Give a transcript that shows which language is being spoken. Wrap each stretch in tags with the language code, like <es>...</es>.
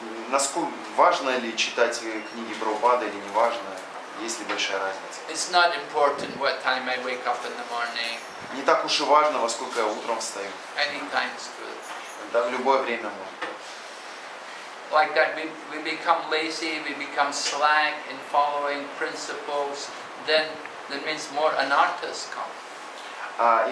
<ru>Насколько важно ли читать книги Прабхупады или не важно? Есть ли большая разница?</ru> <en>It's not important what time I wake up in the morning.</en> <ru>Не так уж и важно, во сколько я утром встаю.</ru> <en>Anytime is good.</en> <ru>Да, в любое время можно.</ru> <en>Like that, we become lazy, we become slack in following principles, then that means more anarthas come.</en>